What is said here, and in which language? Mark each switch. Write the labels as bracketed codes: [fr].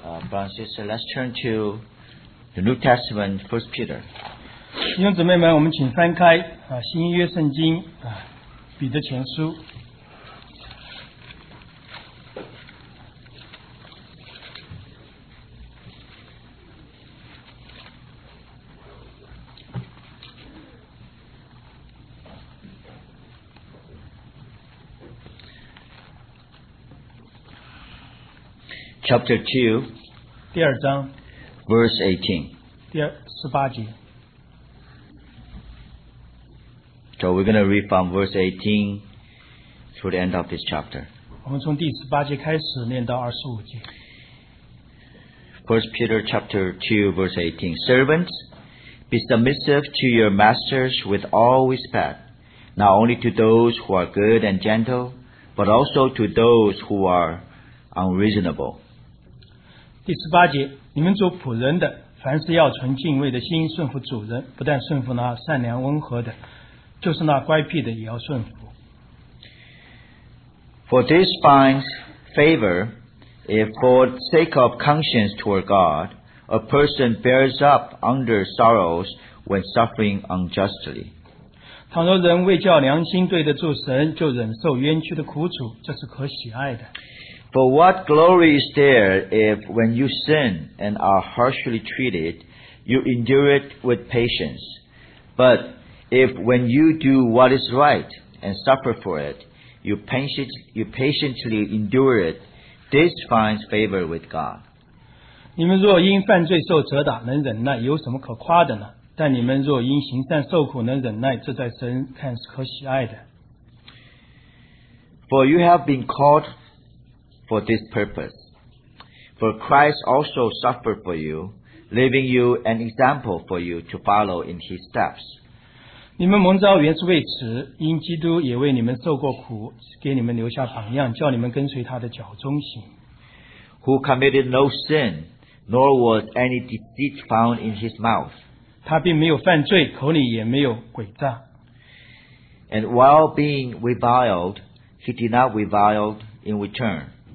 [en] brothers and sisters, let's turn to the New Testament, 1 Peter. [zh] 弟兄姊妹们，我们请翻开新约圣经彼得前书。 [en] Chapter 2, [zh] 第二章, [en] verse 18. [zh] 第二,十八节. [en] So we're going to read from verse 18 through the end of this chapter. [zh] 我们从第十八节开始念到二十五节. [en] 1 Peter chapter 2, verse 18. Servants, be submissive to your masters with all respect, not only to those who are good and gentle, but also to those who are unreasonable. [zh] 第十八节，你们做仆人的，凡事要存敬畏的心，顺服主人，不但顺服那善良温和的，就是那乖僻的也要顺服。 [en] For this finds favor, if for sake of conscience toward God, a person bears up under sorrows when suffering unjustly. [zh] 倘若人为叫良心对得住神，就忍受冤屈的苦楚，这是可喜爱的。 [en] For what glory is there if when you sin and are harshly treated, you endure it with patience? But if when you do what is right and suffer for it, you patiently endure it, this finds favor with God. [zh] 你们若因犯罪受责打能忍耐有什么可夸的呢？但你们若因行善受苦能忍耐这在神看是可喜爱的。 [en] For you have been called for this purpose. For Christ also suffered for you, leaving you an example for you to follow in his steps. [zh] 你们蒙召原是为此，因基督也为你们受过苦，给你们留下榜样，叫你们跟随他的脚中行。 [en] Who committed no sin, nor was any deceit found in his mouth. [zh] 他并没有犯罪，口里也没有诡诈。 [en] And while being reviled, he did not revile in return.